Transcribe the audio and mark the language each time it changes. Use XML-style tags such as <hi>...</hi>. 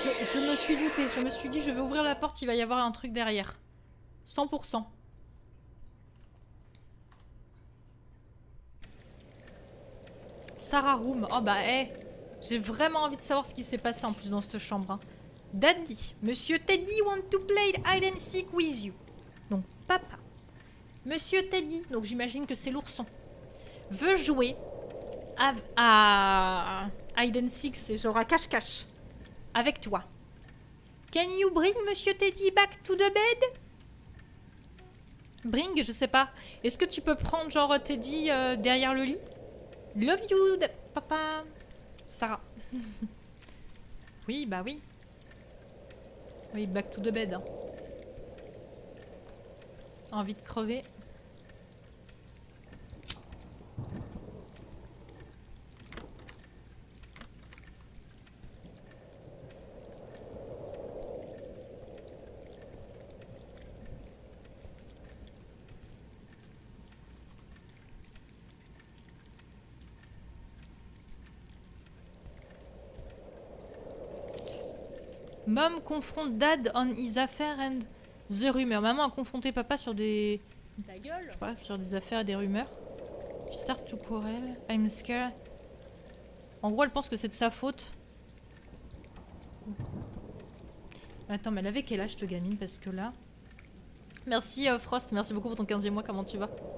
<fr>Je me suis douté, je me suis dit je vais ouvrir la porte, il va y avoir un truc derrière. 100%. Sarah Room, oh bah hé, j'ai vraiment envie de savoir ce qui s'est passé en plus dans cette chambre. Hein.</fr> <en>Daddy, Monsieur Teddy want to play hide and seek with you.</en> <fr>Donc papa, Monsieur Teddy, donc j'imagine que c'est l'ourson, veut jouer à</fr> <en>hide and seek,</en> <fr>c'est genre à cache-cache. Avec toi.</fr> <en>Can you bring Monsieur Teddy back to the bed?</en> <fr>Bring, je sais pas. Est-ce que tu peux prendre genre Teddy derrière le lit?</fr> <en>Love you, papa. Sarah.</en> <fr>Oui, bah oui. Oui,</fr> <en>back to the bed.</en> <fr>Envie de crever.</fr> <en>Mom confronte dad on his affairs and the rumeurs.</en> <fr>Maman a confronté papa sur des... Ta gueule. Je sais pas, sur des affaires et des rumeurs.</fr> <en>Start to quarrel. I'm scared.</en> <fr>En gros, elle pense que c'est de sa faute. Attends, mais elle avait quel âge, te gamine, parce que là... Merci, Frost. Merci beaucoup pour ton 15e mois. Comment tu vas?</fr>